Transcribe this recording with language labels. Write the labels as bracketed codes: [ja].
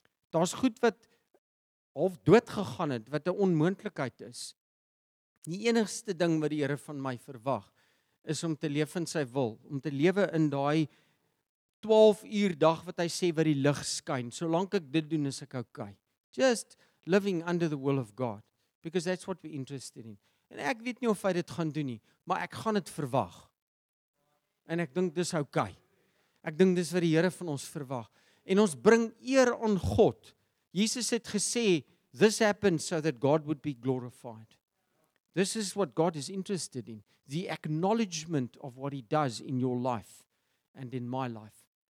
[af] Daar's goed wat half dood gegaan het, wat 'n onmoontlikheid is. Die enigste ding wat die Here van my verwag, is om te leef in sy wil, om te lewe in daai 12 uur dag wat hy sê wat die lig skyn. Solank ek dit doen, is ek okay. [en] Just living under the will of God, because that's what we're interested in. [af] En ek weet nie of hy dit gaan doen nie, maar ek gaan dit verwag. En ek dink dis okay. Ek dink dis wat die Here van ons verwag. En ons bring eer aan God. [en] Jesus [af] het gesê, [en] this happens so that God would be glorified. This is what God is interested in. The acknowledgement of what he does in your life and in my life.